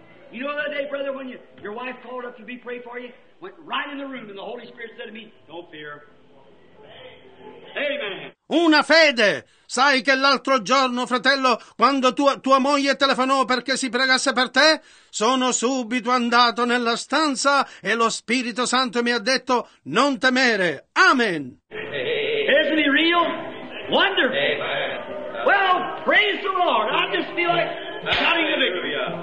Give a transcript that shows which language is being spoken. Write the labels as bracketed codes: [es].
[en] You know that day, brother, when your wife called up to be prayed for you? Went right in the room and the Holy Spirit said to me, don't fear. Amen. [it] Una fede! Sai che l'altro giorno, fratello, quando tua moglie telefonò perché si pregasse per te, sono subito andato nella stanza e lo Spirito Santo mi ha detto, non temere. [en] Amen! Isn't he real? Wonderful! Well, praise the Lord! I just feel like shouting the victory.